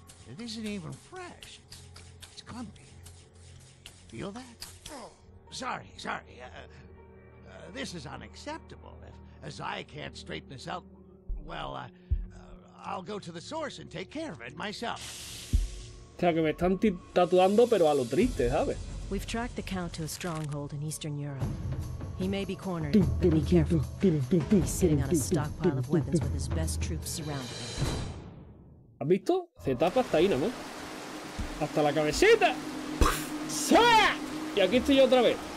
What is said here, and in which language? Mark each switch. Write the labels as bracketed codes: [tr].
[en] It isn't even fresh. It's clumpy. Feel that? Sorry, sorry. This is unacceptable. If Zai can't straighten this out, well, I'll go to the source and take care of it myself. [es] O sea, que me están tatuando, pero a lo triste, ¿sabes? [en] We've tracked the Count to a stronghold in Eastern Europe. He may be cornered, but be careful. He's sitting on a stockpile of weapons with his best troops surrounding him. [es] ¿Has visto? Se tapa hasta ahí, ¿no? ¡Hasta la cabecita! ¡Sá! Y aquí estoy yo otra vez.